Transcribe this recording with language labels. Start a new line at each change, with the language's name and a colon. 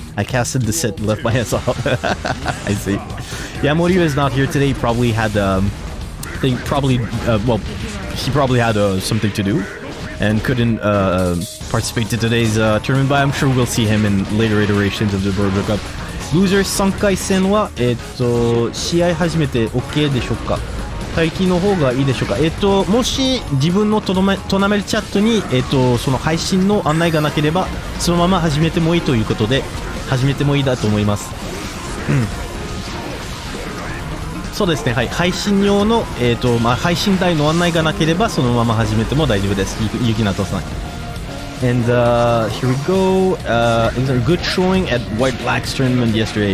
English: I casted the set and left my ass off. I see. Yeah, Moryu is not here today. He probably had... he probably had something to do and couldn't participate to today's tournament, but I'm sure we'll see him in later iterations of the Brojo Cup.
Japanese: Loser 3回戦は、試合始めて OK でしょうか? 待機の方がいいでしょうか。もし自分のトーナメントチャットに、その配信の案内がなければそのまま始めてもいいということで始めてもいいだと思います。うん。そうですね。はい。配信用の、配信台の案内がなければそのまま始めても大丈夫です。
English: ゆきなとさん。And here we go. Is there a good showing at White Black's tournament yesterday?